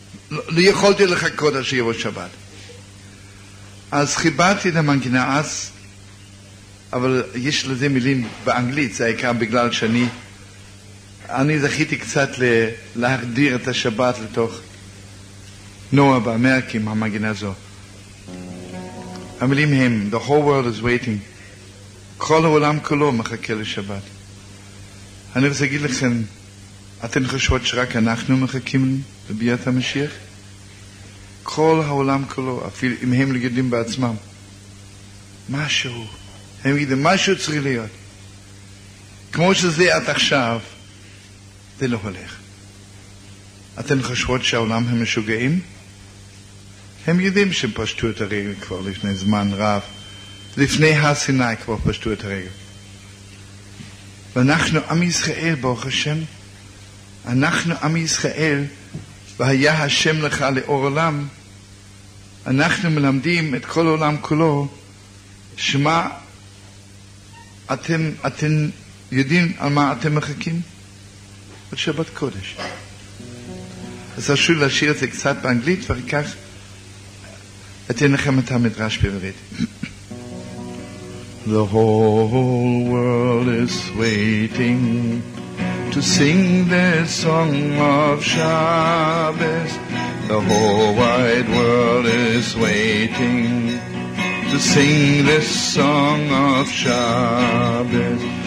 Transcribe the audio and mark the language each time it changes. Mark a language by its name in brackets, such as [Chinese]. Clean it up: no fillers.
[Hebrew] לא יכולתי לחכות עד שיבוא שבת. אז חיברתי את המנגינה אז, אבל יש לזה מילים באנגלית, זה העיקר בגלל שאני, זכיתי קצת להחדיר את השבת לתוך נועה באמריקים, המנגינה הזו. המילים הם, [English] the whole world is waiting. [Hebrew] כל העולם כולו מחכה לשבת. אני רוצה להגיד לכם, אתן חושבות שרק אנחנו מחכים לביאת המשיח? כל העולם כולו, אפילו אם הם יודעים בעצמם, משהו, הם יודעים, משהו צריך להיות. כמו שזה עד עכשיו, זה לא הולך. אתן חושבות שהעולם הם משוגעים? הם יודעים שהם פשטו את הרגל כבר לפני זמן רב, לפני הסיני כבר פשטו את הרגל. ואנחנו עם ישראל, ברוך השם, אנחנו עם ישראל, והיה השם לך לאור עולם, אנחנו מלמדים את כל העולם כולו, שמה אתם יודעים על מה אתם מחכים? עוד שבת קודש. אז רשו לי להשאיר את זה קצת באנגלית, ואחר כך אתן לכם את המדרש בעברית. [English] The whole world is waiting to sing their song of Shabbos. The whole wide world is waiting to sing this song of Shabbos.